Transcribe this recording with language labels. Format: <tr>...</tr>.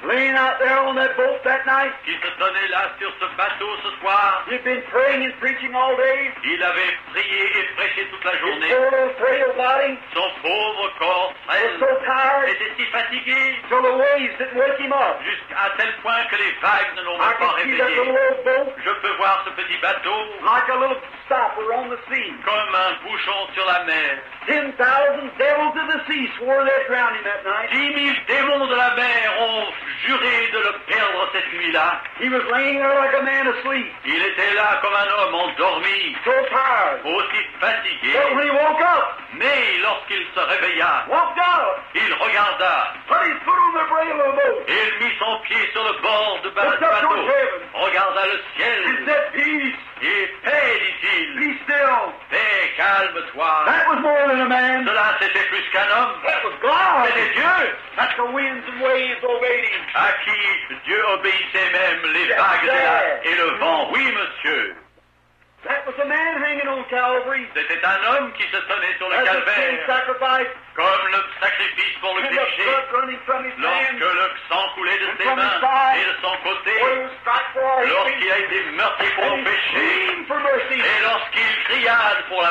<en>Laying out there on that boat that night.</en> <fr>Il se tenait là sur ce bateau ce soir.</fr> <en>He'd been praying and preaching all day.</en> <fr>Il avait prié et prêché toute la journée.</fr> <en>His poor, frail body.</en> <fr>Son pauvre corps frêle.</fr> <en>Was so tired.</en> <fr>Était si fatigué.</fr> <en>Till the waves didn't wake him up.</en> <fr>Jusqu'à tel point que les vagues ne l'ont pas réveillé.</fr> <en>I can see that little boat.</en> <fr>Je peux voir ce petit bateau.</fr> <en>Like a little stopper on the sea.</en> <fr>Comme un bouchon sur la mer.</fr> <en>10,000 devils of the sea swore they'd drown him that night.</en> <fr>Les démons de la mer ont juré de le perdre cette nuit-là.</fr> <en>He was laying there like a man asleep.</en> <fr>Il était là comme un homme endormi.</fr> <en>So tired.</en> <fr>Aussi fatigué.</fr> <en>But when he woke up,</en> <fr>mais lorsqu'il se réveilla,</fr> <en>walked out,</en> <fr>il regarda.</fr> <en>Put his foot on the rail of the boat.</en> <fr>Il mit son pied sur le bord du bateau. Regarda le ciel.</fr> <en>He said, peace.</en> <fr>Et paix, dit-il.</fr> <en>Be still.</en> <fr>Paix, calme-toi.</fr> <en>That was more than a man.</en> <fr>Cela, c'était plus qu'un homme.</fr> <en>That was God.</en> <fr>C'était Dieu.</fr> <en>That the winds and waves obeyed him.</en> <fr>À qui Dieu obéissait même les vagues de la et le vent. Oui, monsieur.</fr> <en>That was a man hanging on Calvary.</en> <fr>C'était un homme qui se tenait sur le calvaire.</fr> <en>As a sacrifice.</en> <fr>Comme le sacrifice pour le</fr> <en>and</en> <fr>péché. Lorsque le sang coulait de ses mains et de son côté. Lorsqu'il a été meurtri pour le péché. Et lorsqu'il cria pour la</fr>